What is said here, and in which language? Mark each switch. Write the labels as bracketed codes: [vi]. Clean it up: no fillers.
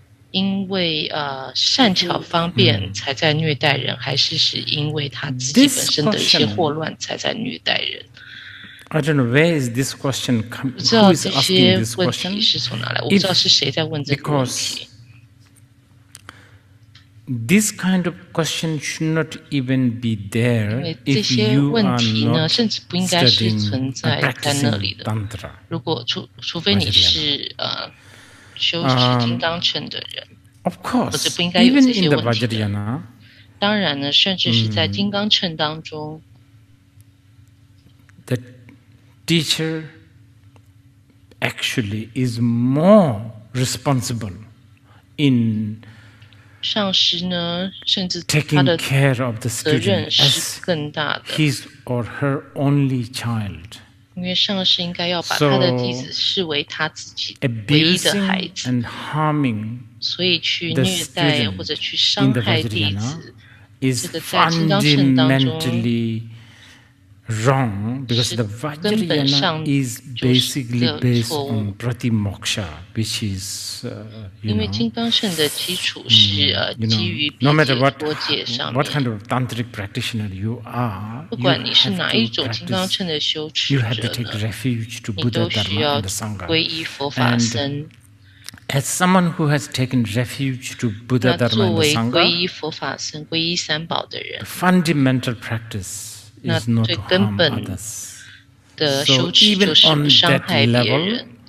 [zh] 因为善巧方便才在虐待人，还是是因为他自己本身的一些祸乱才在虐待人？ [en] I don't know where is this question coming. Who is asking this question? [zh] 是从哪来？我不知道是谁在问这个问题。 [en] This kind of question should not even be there if you are not studying or practicing tantra. [zh] 如果除非你是修持金刚乘的人， [en] of course, even in the Vajrayana, [zh] 当然呢，甚至是在金刚乘当中， [en] the teacher actually is more responsible in. [zh] 上师呢，甚至他的责任是更大的。 [en] His or her only child. [zh] 因为上师应该要把他的弟子视为他自己唯一的孩子。 [en] And harming, [zh] 所以去虐待或者去伤害弟子， [en] is fundamentally wrong because the Vajrayana is basically based on pratimoksha, which is. [zh] 因为金刚乘的基础是 [en] you know, [zh] 基于毕竟的多界上面。 [en] What kind of tantric practitioner you are? [zh] 不管你是哪一种金刚乘的修持者呢 [en] ，you have to take refuge to Buddha, Dharma, and the Sangha. [zh] 皈依佛法僧。 [en] As someone who has taken refuge to Buddha, Dharma, and the Sangha, [zh] 那作为皈依佛法僧、皈依三宝的人 [en] ，the fundamental practice is not to harm others. [zh] 那最根本的修持就是不伤害别人。